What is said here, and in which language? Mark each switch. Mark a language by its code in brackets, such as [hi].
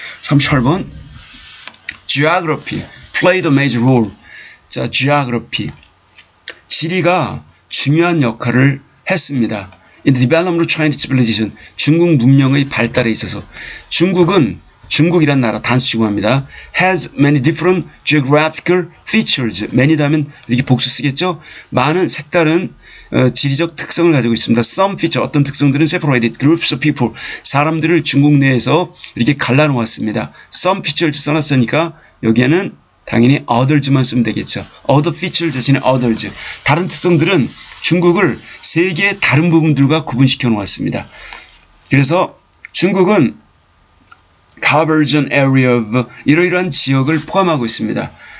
[ko] 38번 [en] geography played a major role [ko] 자 geography 지리가 중요한 역할을 했습니다. [en] in the development of Chinese civilization [ko] 중국 문명의 발달에 있어서 중국은 중국이란 나라 단수치고 합니다. [en] has many different geographical features. [ko] many다 하면 이렇게 복수 쓰겠죠? 많은 색다른 지리적 특성을 가지고 있습니다. [en] some feature, [ko] 어떤 특성들은 [en] separated groups of people. [ko] 사람들을 중국 내에서 이렇게 갈라놓았습니다. some features 써놨으니까 여기에는 당연히 others만 쓰면 되겠죠. other features 대신에 others. 다른 특성들은 중국을 세계의 다른 부분들과 구분시켜 놓았습니다. 그래서 중국은 [en] coverage an area of [ko] 이러이러한 지역을 포함하고 있습니다.